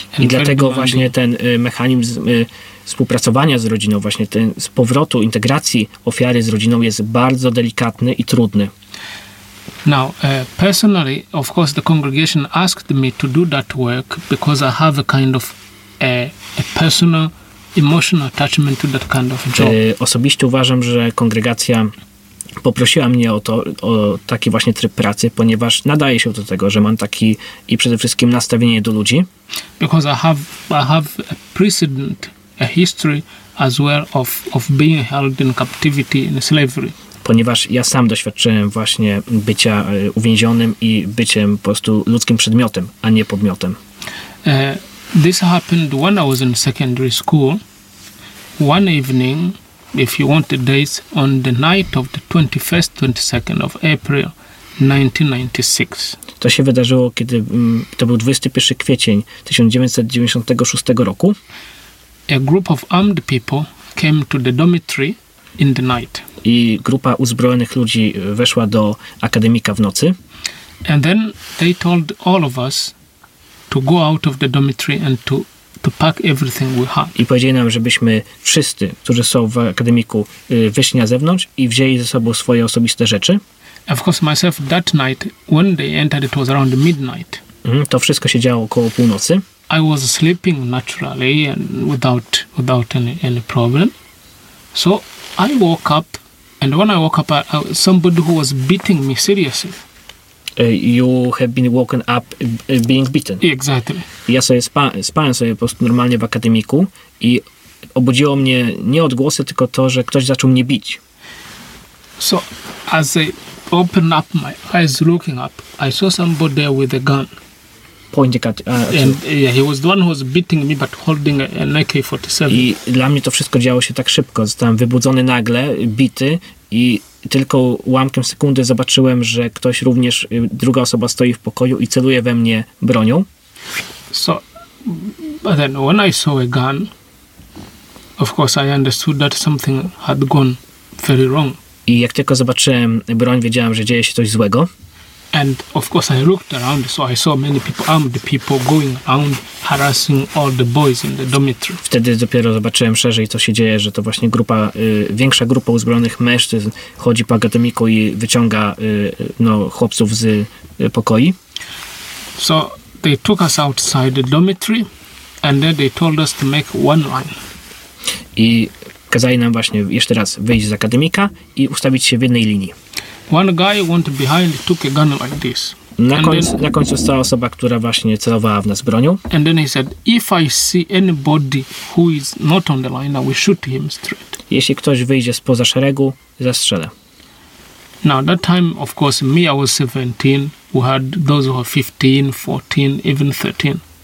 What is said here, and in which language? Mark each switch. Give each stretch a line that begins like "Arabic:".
Polish: I dlatego właśnie ten mechanizm współpracowania z rodziną, właśnie ten z powrotu, integracji ofiary z rodziną jest bardzo delikatny i trudny.
English: Now, personally, of course, the congregation asked me to do that work because I have a kind of a personal emotional attachment to that kind of job.
Polish: Osobiście uważam, że kongregacja poprosiła mnie o to, o taki właśnie tryb pracy, ponieważ nadaje się do tego, że mam taki i przede wszystkim nastawienie do ludzi.
English: Because I have a precedent, a history as well of being held in captivity in slavery.
Polish: Ponieważ ja sam doświadczyłem właśnie bycia uwięzionym i byciem po prostu ludzkim przedmiotem, a nie podmiotem.
English: This happened when I was in secondary school. One evening, if you want the dates, on the night of the 21st, 22nd of April, 1996.
Polish: To się wydarzyło, kiedy to był 21 kwiecień 1996 roku.
English: A group of armed people came to the dormitory in the night.
Polish: I grupa uzbrojonych ludzi weszła do akademika w nocy.
English: And then they told all of us to go out of the dormitory and to pack everything we had.
Polish: I powiedzieli nam, żebyśmy wszyscy, którzy są w akademiku, wyszli na zewnątrz i wzięli ze sobą swoje osobiste rzeczy.
English: Of course myself that night when they entered it was around midnight. To wszystko się działo około północy. I was sleeping naturally and without any problem. So I woke up and when I woke up somebody who was beating me seriously. You have been woken up being beaten. Exactly.
Polish: Ja sobie spałem sobie po prostu normalnie w akademiku i obudziło mnie nie odgłosy, tylko to, że ktoś zaczął mnie bić.
English: So as I opened up my eyes looking up, I saw somebody there with a gun. Pointing at He was the one who was beating me, but holding an AK-47.
Polish: I dla mnie to wszystko działo się tak szybko. Zostałem wybudzony nagle, bity i tylko ułamkiem sekundy zobaczyłem, że ktoś również, druga osoba stoi w pokoju i celuje we mnie bronią.
English: So, but then when I saw a gun, of course I understood that something had gone very wrong.
Polish: I jak tylko zobaczyłem broń, wiedziałem, że dzieje się coś złego.
English: And of course I looked around, so I saw many people, armed people going around harassing all the boys in the dormitory.
Polish: Wtedy dopiero zobaczyłem szerzej, co się dzieje, że to właśnie grupa, większa grupa uzbrojonych mężczyzn chodzi po akademiku i wyciąga chłopców z pokoi.
English: So they took us outside the dormitory and then they told us to make one line.
Polish: I kazali nam właśnie jeszcze raz wyjść z akademika i ustawić się w jednej linii.
English: One guy went behind, took a gun like this.
Polish: Na końcu stała osoba, która właśnie celowała w nas bronią.
English: And then he said, if I see anybody who is not on the line, I will shoot him straight.
Polish: jeśli ktoś wyjdzie spoza szeregu, zastrzelę.
English: Now at that time, of course, me, I was 17, we had those who were 15, 14, even 13.